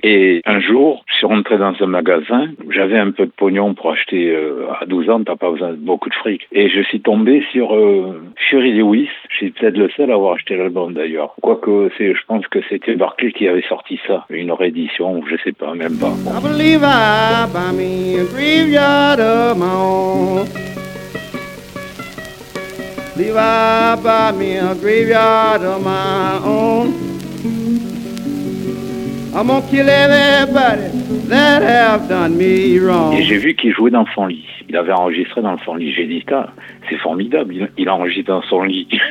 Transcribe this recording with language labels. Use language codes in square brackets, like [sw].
[fr] Et un jour, je suis rentré dans un magasin. J'avais un peu de pognon pour acheter à 12 ans. T'as pas besoin de beaucoup de fric. Et je suis tombé sur Furry Lewis. Je suis peut-être le seul à avoir acheté l'album, d'ailleurs. Quoique, je pense que c'était Barclay qui avait sorti ça. Une réédition, je sais pas, même pas. [en] I believe I buy me a graveyard of my own. Believe I buy me a graveyard of my own. I'm gonna kill everybody that have done me wrong. [fr] Et j'ai vu qu'il jouait dans son lit. Il avait enregistré dans son lit. J'ai dit, ah, c'est formidable, il a enregistré dans son lit.